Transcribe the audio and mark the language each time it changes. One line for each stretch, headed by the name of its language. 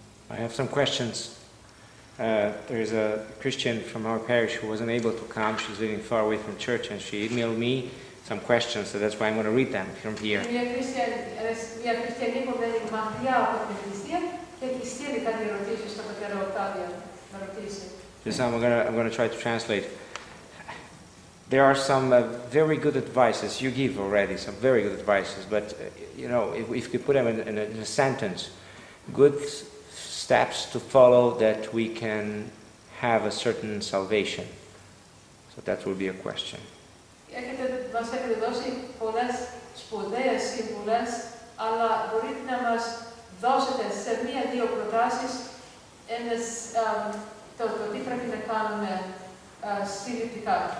English: I have some questions. There's a Christian from our parish who wasn't able to come. She's living far away from church, and she emailed me some questions, so that's why I'm going to read them from here. We have Christian people living in Mahdia, from Christian.
Greek: Έχει στείλει κάτι ερωτήσεις στον πατέρα Οκτάβιο, να ρωτήσει.
English: This time I'm going to try to translate. There are some very good advices you give already, some very good advices, but you know, if you put them in a sentence, good steps to follow that we can have a certain salvation. So that will be a question.
Greek: Έχετε μας έχετε δώσει πολλές σπουδαίες συμβουλές, αλλά μπορείτε να μας δώσετε σε μία-δύο προτάσεις ένας το τι πρέπει να κάνουμε συλλητικά.